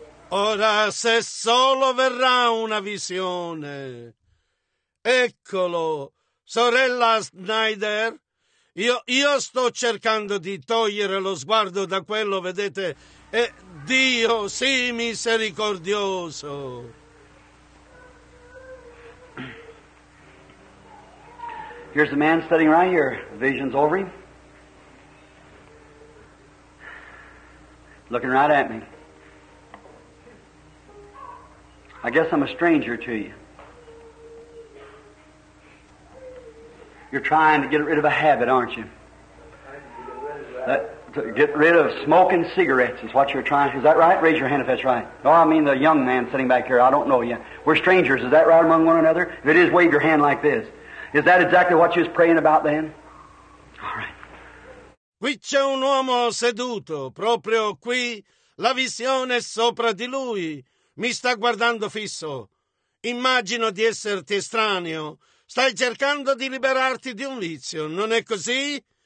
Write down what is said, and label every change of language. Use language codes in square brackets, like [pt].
[it] Ora se solo verrà una visione. Eccolo, sorella Snyder. Io sto cercando di togliere lo sguardo da quello, vedete, e Dio sì misericordioso. [en] Here's the man sitting right here. Vision's over him. Looking right at me. I guess I'm a stranger to you. You're trying to get rid of a habit, aren't you? To get rid of smoking cigarettes is what you're trying. Is that right? Raise your hand if that's right. No, I mean the young man sitting back here. I don't know you. We're strangers. Is that right among one another? If it is, wave your hand like this. Is that exactly what you was praying about then? All right. [it] Qui c'è un uomo seduto, proprio qui. La visione sopra di lui. Mi sta guardando fisso. Immagino di esserti estraneo. Stai cercando di liberarti di un vizio, non è così?